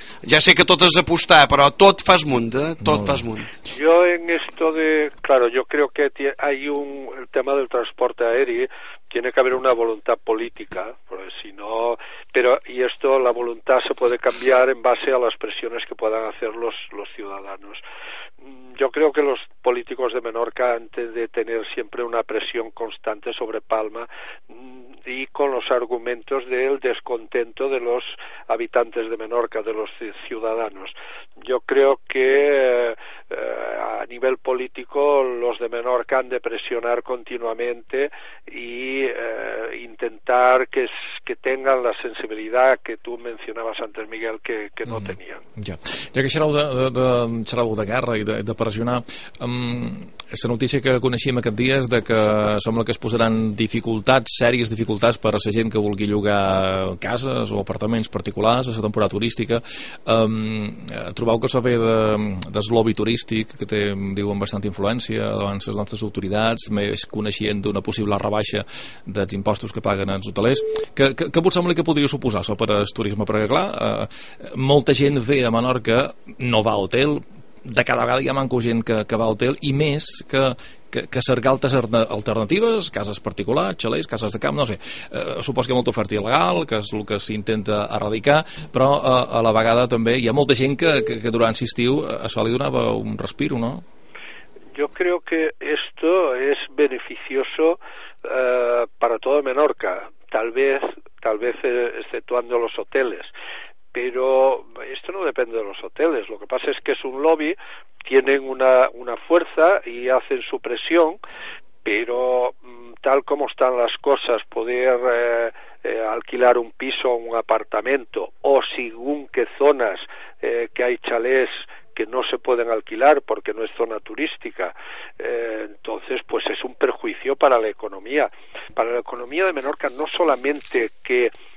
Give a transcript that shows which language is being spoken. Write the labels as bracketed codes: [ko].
[ca] Ja sé que tot és apostar, però tot fas munt, tot fas munt. [es] Jo en esto de, claro, yo creo que hay un el tema del transporte aéreo, tiene que haber una voluntad política, porque si no, pero y esto la voluntad se puede cambiar en base a las presiones que puedan hacer los ciudadanos. Yo creo que los políticos de Menorca, antes de tener siempre una presión constante sobre Palma y con los argumentos del descontento de los habitantes de Menorca, de los ciudadanos, yo creo que a nivel político los de Menorca han de presionar continuamente e intentar que tengan la sensibilidad que tú mencionabas antes, Miguel, que no tenían. [ca] Ja que xerau de guerra i de pressionar, la notícia que coneixíem aquest dia és de que sembla que es posaran dificultats, sèries dificultats per a la gent que vulgui llogar cases o apartaments particulars a la temporada turística. Trobeu que s'ha fet des lobby turístic, que té, diuen, bastanta influència davant les nostres autoritats, més coneixien d'una possible rebaixa dels impostos que paguen els hotelers. Què vos sembla que podria suposar això per al turisme? Perquè, clar, molta gent ve a Menorca, no va a hotel, de cada vegada hi ha manco gent que va a hotel, i més que cercar altres alternatives, cases particulars, xalets, cases de camp, no sé. Suposo que hi ha molta oferta il·legal, que és el que s'intenta erradicar, però a la vegada també hi ha molta gent que durant l'estiu això li donava un respiro, no? [es] Yo creo que esto es beneficioso para todo Menorca, tal vez exceptuando los hoteles. Pero esto no depende de los hoteles, lo que pasa es que es un lobby, tienen una fuerza y hacen su presión, pero tal como están las cosas, poder alquilar un piso o un apartamento, o según qué zonas que hay chalés que no se pueden alquilar porque no es zona turística, entonces pues es un perjuicio para la economía de Menorca, no solamente que